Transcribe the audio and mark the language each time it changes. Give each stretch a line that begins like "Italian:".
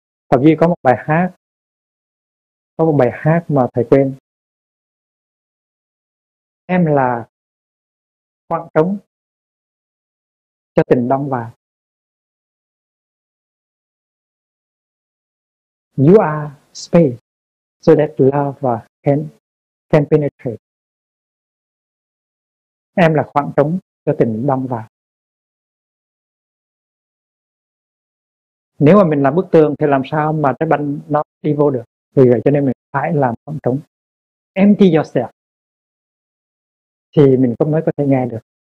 Vietnamese: Thậm chí có một bài hát mà thầy quên. Em là khoảng trống cho tình đông vào.
English: You are space so that love can penetrate.
Vietnamese: Em là khoảng trống cho tình đông vào. Nếu mà mình làm bức tường thì làm sao mà trái banh nó đi vô được. Vì vậy cho nên mình phải làm khoảng trống.
English: Empty yourself
Vietnamese: thì mình cũng mới có thể nghe được.